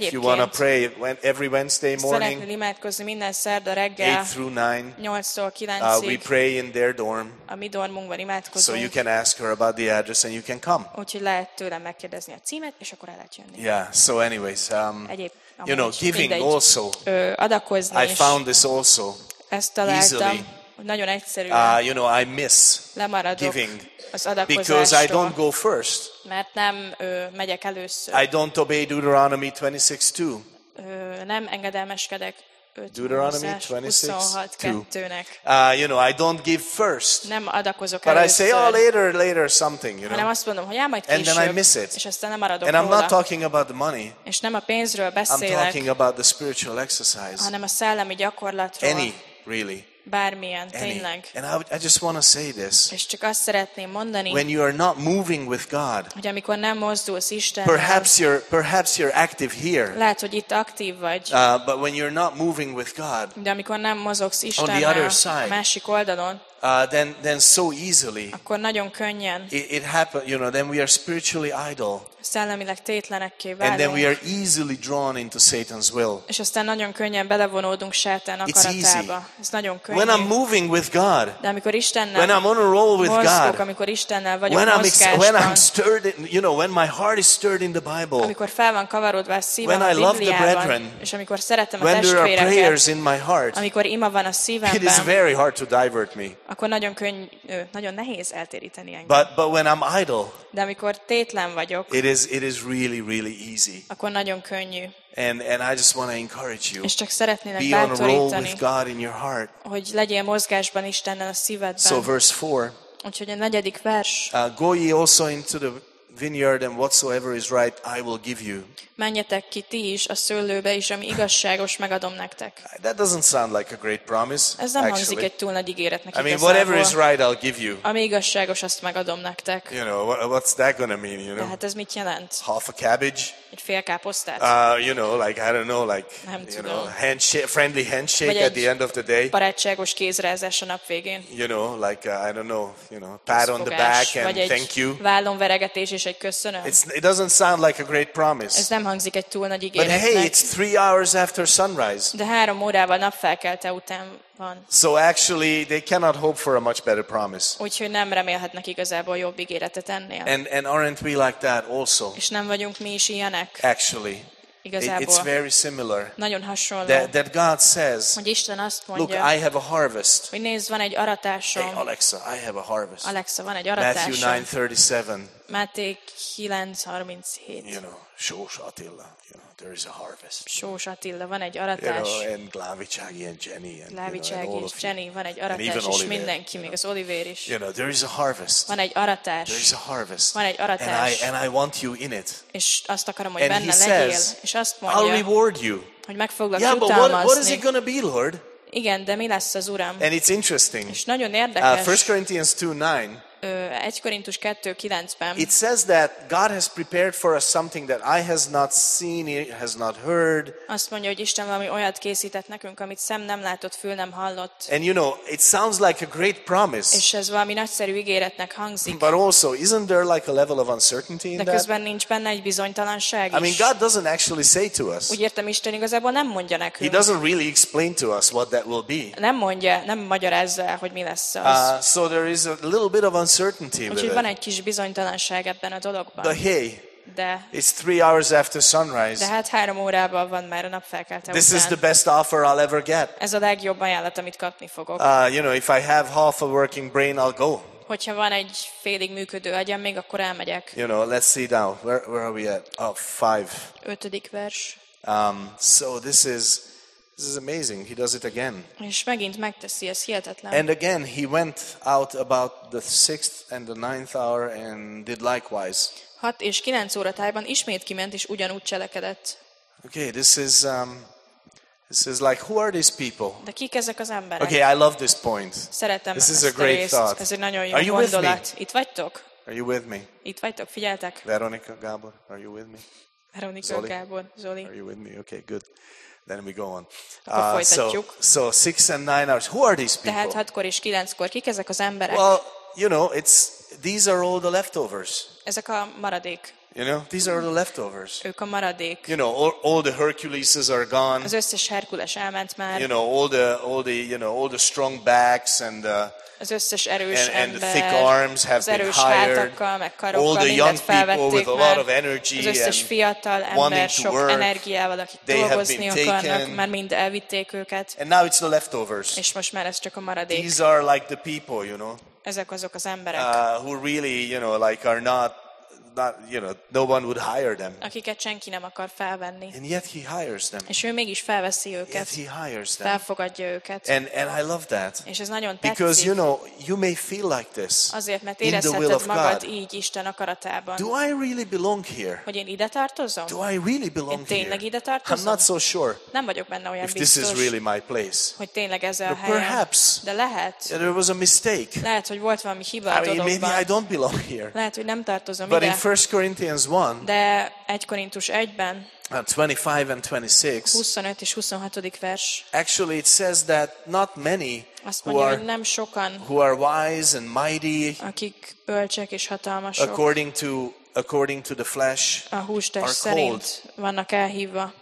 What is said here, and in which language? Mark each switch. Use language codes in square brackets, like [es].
[en] if you want to pray every Wednesday morning, [hu] imádkozni minden szerda reggel, [en] 8 through 9, [hu] 8-tól 9-ig, [en] we pray in their dorm, [hu] a mi dormunkban imádkozunk, [en] so you can ask her about the address and you can come. [hu] Úgyhogy lehet tőle megkérdezni a címet, és akkor el lehet jönni. [en] Yeah, so anyways, you know, giving [hu] mindegy, [en] also, [hu] adakozni, [en] I found this also easily. [hu] Nagyon egyszerűen [en] you know, I miss [hu] lemaradok [en] giving [hu] az adakozástól, [en] because I don't go first. [hu] Mert nem megyek először. [en] I don't obey Deuteronomy 26:2. [hu] Nem engedelmeskedek [en] Deuteronomy 26:2. You know, I don't give first. [hu] Nem adakozok [en] but [hu] először. [en] I say, oh, later something, you know. [hu] Hanem azt mondom, hogy majd később. [en] And then I miss it. [hu] És aztán lemaradok [en] and [hu] róla. [en] I'm not talking about the money. [hu] És nem a pénzről beszélek. [en] I'm talking about the spiritual exercise. [hu] Hanem a szellemi gyakorlatról. [en] Any, really. [hu] Bármilyen, tényleg. [en] And I just want to say this. [hu] És csak azt szeretném mondani. [en] When you are not moving with God. [hu] Hogy amikor nem mozdulsz Istennel. [en] Perhaps you're active here. [hu] Lehet, hogy itt aktív vagy. [en] But when you're not moving with God. [hu] De amikor nem mozogsz Istennel. [en] On the other side. [hu] Másik oldalon. [en] Then so easily. [hu] Akkor nagyon könnyen. [en] It happens, you know, then we are spiritually idle. [hu] Szellemileg tétlenekké válunk. [en] And then we are easily drawn into Satan's will. [hu] És aztán nagyon könnyen belevonódunk Sátán akaratába. Ez nagyon könnyű. [en] When I'm moving with God. [hu] De amikor Istennel. [en] When I'm on a roll with [hu] mozgok, [en] God. [hu] Amikor Istennel vagyok mozgásban. [en] When I'm stirred in, you know, when my heart is stirred in the Bible. [hu] Amikor fel van kavarodva a szívem [en] when [hu] a Bibliában. [en] When I love the brethren. [hu] És amikor szeretem [en] when [hu] a testvéreket. [en] When there are prayers in my heart. [hu] Amikor ima van a szívemben. [en] It is very hard to divert me. [hu] Akkor nagyon könnyű, nagyon nehéz eltéríteni engem. [en] But when I'm idle. [hu] De amikor tétlen vagyok. [en] It is really, really easy. [hu] Akkor nagyon könnyű. [en] And I just want to encourage you. [hu] És csak szeretnének bátorítani. [en] Be on a roll with God in your heart. [hu] Hogy legyél mozgásban Istennel a szívedben. [en] So verse 4. [hu] Úgyhogy a negyedik vers. [en] Go ye also into the vineyard and whatsoever is right I will give you. [hu] Menjetek ki ti is a szőlőbe is, ami igazságos megadom nektek. [en] That doesn't sound like a great promise. [hu] Ez nem hangzik egy túl nagy ígéretnek. [en] I mean, whatever is right I'll give you. [hu] Ami igazságos, azt megadom nektek. [en] You know, what's that gonna mean, you know? [hu] De hát ez mit jelent? [en] Half a cabbage? [hu] Egy fél káposztát? [en] You know, like I don't know, like [hu] nem [en] you know, friendly handshake at the end of the day. [hu] Barátságos kézrázás a nap végén. [en] You know, like I don't know, you know, pat on the back and thank you. [hu] Vállon veregetés és egy köszönöm. [en] It doesn't sound like a great promise. [hu] Hangzik egy túl nagy ígéretnek. [en] But hey, it's 3 hours after sunrise. [hu] De 3 órával napfelkelte után van. [en] So actually, they cannot hope for a much better promise. [hu] Úgyhogy nem remélhetnek igazából jobb ígéretet ennél. [en] And aren't we like that also? [hu] És nem vagyunk mi is ilyenek? [en] Actually, [hu] igazából. [en] It's very similar. [hu] Nagyon hasonló. [en] That God says. [hu] Hogy Isten azt mondja. [en] Look, I have a harvest. [hu] Hogy nézd, van egy aratásom. [en] Hey, Alexa, I have a harvest. [hu] Alexa, van egy aratásom. [en] Matthew 9:37. [hu] Máté 9:37. [en] You know, Sós Attila, you know, there is a harvest. [hu] Sós Attila, van egy aratás. [en] You know, and Glávicsági and Jenny. [hu] Glávicsági [en] you know, [hu] és Jenny, van egy aratás, és Oliver, mindenki, még az Oliver is. [en] You know, there is a harvest. [hu] Van egy aratás. [en] There is a harvest. [hu] Van egy aratás. [en] And I want you in it. [hu] És azt akarom, hogy [en] and [hu] benne [en] says, [hu] legyél. És azt mondja, [en] I'll reward you. [hu] Hogy meg foglak [en] yeah, [hu] jutalmazni. [en] But what is it going to be, Lord? [hu] Igen, de mi lesz az Uram? [en] And it's interesting. [hu] És nagyon érdekes. [en] 1 Corinthians 2:9. [hu] 1 Korintus 2:9-ben. [en] It says that God has prepared for us something that eye has not seen, ear has not heard. [hu] Azt mondja, hogy Isten valami olyat készített nekünk, amit szem nem látott, fül nem hallott. [en] And you know, it sounds like a great promise. [hu] És ez valami nagyszerű ígéretnek hangzik. [en] But also, isn't there like a level of uncertainty in that? [hu] De közben nincs benne egy bizonytalanság is. [en] I mean, God doesn't actually say to us. [hu] Úgy értem, Isten igazából nem mondja nekünk. [en] He doesn't really explain to us what that will be. [hu] Nem mondja, nem magyarázza, hogy mi lesz az. [en] So there is a little bit of uncertainty. uncertainty with it. [hu] Úgyhogy van egy kis bizonytalanság ebben a dologban. [en] But hey, [hu] de [en] it's 3 hours after sunrise. [hu] De hát 3 órában van már a nap felkelte után. [en] This is the best offer I'll ever get. [hu] Ez a legjobb ajánlat, amit kapni fogok. [en] You know, if I have half a working brain, I'll go. [hu] Hogyha van egy félig működő agyam még, akkor elmegyek. [en] You know, let's see now. Where are we at? Oh, 5. [hu] Ötödik vers. [en] So this is amazing. He does it again. [hu] És megint megteszi, ez hihetetlen. [en] And again, he went out about the 6th and the 9th hour and did likewise. [hu] 6 és 9 óra tájban ismét kiment és ugyanúgy cselekedett. [en] Okay, this is like, who are these people? [hu] De kik ezek az emberek? [en] Okay, I love this point. [hu] Szeretem [en] this [hu] ezt [en] is a great [hu] részt. [en] Thought. [hu] Ez egy nagyon jó gondolat. Itt vagytok? [en] Are you with me? [hu] Itt vagytok, figyeltek? [en] Veronika, Gábor, are you with me? [hu] Veronika, Zoli? Gábor, Zoli. [en] Are you with me? Okay, good. Then we go on. So 6 and 9 hours. Who are these people? [hu] Tehát 6-kor és 9-kor. Kik ezek az emberek? [en] Well, you know, these are all the leftovers. [hu] Ezek a maradék. [en] You know, these are the leftovers. [hu] Ők a maradék. [en] You know, all the Herculeses are gone. [hu] Az összes Herkules elment már. [en] You know, all the strong backs and the [hu] az összes erős [en] and [hu] ember, [en] the thick arms have been hired. All the young people with a lot of energy [hu] az összes fiatal ember sok [en] work, [hu] energiával, akik dolgozni akarnak, már mind elvitték őket. [en] And now it's the leftovers. [hu] És most már ez csak a maradék. [en] These are like the people, you know. [hu] Ezek azok az emberek. [en] Who really, you know, like are not, you know, no one would hire them. [hu] Akiket senki nem akar felvenni. [en] And yet he hires them. [hu] És ő mégis felveszi őket. [en] Yet he hires them. [hu] Felfogadja őket. [en] And I love that. [hu] És ez nagyon tetszik. [en] Because you know, you may feel like this. [hu] Azért, mert érezheted magad így Isten akaratában. [en] Do I really belong here? [hu] Hogy én ide tartozom? [en] Do I really belong here? [hu] Én tényleg ide tartozom? [en] I'm not so sure. [hu] Nem vagyok benne olyan biztos. [en] If this is really my place. [hu] Hogy tényleg ez a helyem. [en] Perhaps. [hu] De lehet. [en] Yeah, there was a mistake. [hu] Lehet, hogy volt valami hiba a dologban. [en] Maybe I don't belong here. [hu] Lehet, hogy nem tartozom [en] but [hu] ide. [en] 1 Corinthians 1. [hu] De 1 Korintus 1-ben. [en] 25 and 26. [hu] 25 és 26. vers. [en] Actually it says that not many who are wise and mighty, [hu] akik bölcsek és hatalmasok. [en] According to the flesh, [hu] a hústest szerint vannak elhívva.